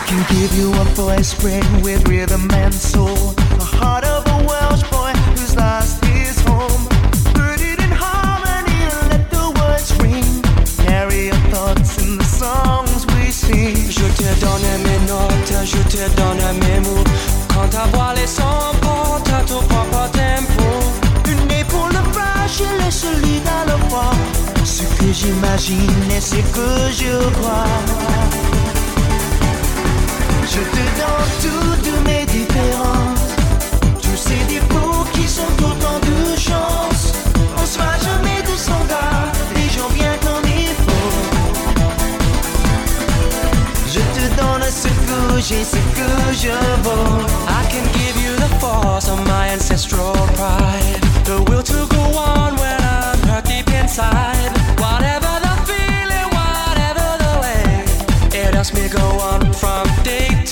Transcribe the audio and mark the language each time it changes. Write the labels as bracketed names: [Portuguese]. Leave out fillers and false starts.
[English] Give you a voice spread with rhythm and soul. The heart of a Welsh boy who's lost his home. Heard it in harmony, let the words ring. Carry your thoughts in the songs we sing. [French] Je te donne mes notes, je te donne mes mots. Quand ta voix les s'emporte à ton propre tempo. Une épaule fragile et solide à la fois. Ce que j'imagine et ce que je crois. Je te donne toutes mes différences. Tous ces défauts qui sont autant de chance. On sera jamais de standard, les gens bien qu'on est faux. Je te donne ce que j'ai, ce que je veux. [English] I can give you the force of my ancestral pride. The will to go on when I'm hurt deep inside. Whatever the feeling, whatever the way, it helps me go on from day.